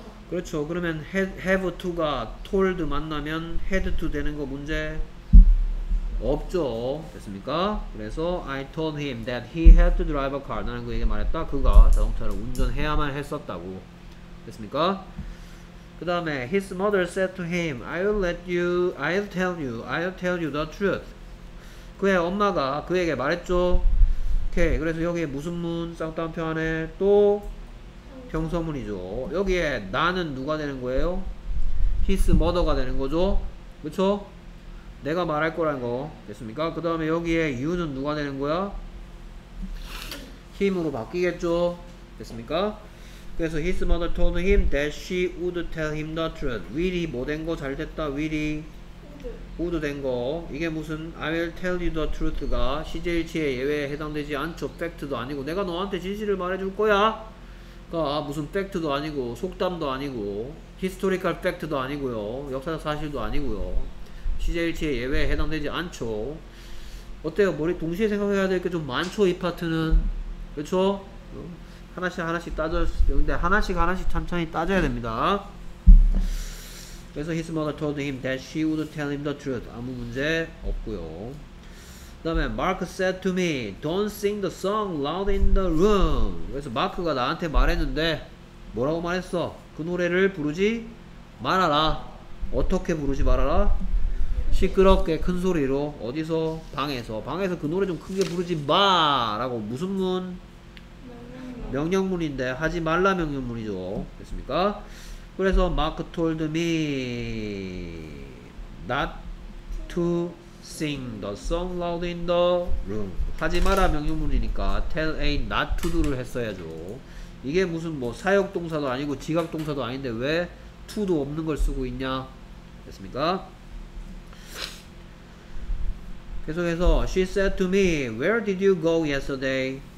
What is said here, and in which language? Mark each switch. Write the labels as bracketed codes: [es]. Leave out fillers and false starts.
[ko] 그렇죠. 그러면 have to가 told 만나면 had to 되는 거 문제? 없죠. 됐습니까? 그래서 [en] I told him that he had to drive a car. [ko] 나는 그에게 말했다. 그가 자동차를 운전해야만 했었다고. 됐습니까? 그 다음에 [en] his mother said to him, I'll tell you the truth. [ko] 그의 엄마가 그에게 말했죠. 오케이. 그래서 여기에 무슨 문? 쌍따옴표 안에 또 형성문이죠. 여기에 나는 누가 되는 거예요? His mother가 되는 거죠. 그쵸? 내가 말할 거라는 거. 됐습니까? 그 다음에 여기에 you는 누가 되는 거야? him으로 바뀌겠죠. 됐습니까? 그래서 [en] his mother told him that she would tell him the truth. [ko] will이 뭐 된 거? 잘 됐다. will이 would 된 거. 이게 무슨 [en] I will tell you the truth [ko] 가 시제일치의 예외에 해당되지 않죠. fact도 아니고 내가 너한테 진실을 말해줄 거야. 가 무슨 fact도 아니고 속담도 아니고 historical fact도 아니고요. 역사적 사실도 아니고요. 시제일치의 예외에 해당되지 않죠. 어때요? 머리 동시에 생각해야 될 게 좀 많죠? 이 파트는. 그렇죠? 하나씩 따져야 되는데 하나씩 천천히 따져야 됩니다. 그래서 [en] his mother told him that she would tell him the truth. [ko] 아무 문제 없고요. 그 다음에 [en] Mark said to me, don't sing the song loud in the room. [ko] 그래서 마크가 나한테 말했는데 뭐라고 말했어? 그 노래를 부르지 말아라. 어떻게 부르지 말아라? 시끄럽게 큰 소리로. 어디서? 방에서. 방에서 그 노래 좀 크게 부르지 마 라고. 무슨 문? 명령문인데 하지 말라 명령문이죠. 됐습니까? 그래서 [en] Mark told me not to sing the song loud in the room. [ko] 하지 마라 명령문이니까 tell A not to do를 했어야죠. 이게 무슨 뭐 사역동사도 아니고 지각동사도 아닌데 왜 to도 없는 걸 쓰고 있냐. 됐습니까? 계속해서 [en] she said to me where did you go yesterday.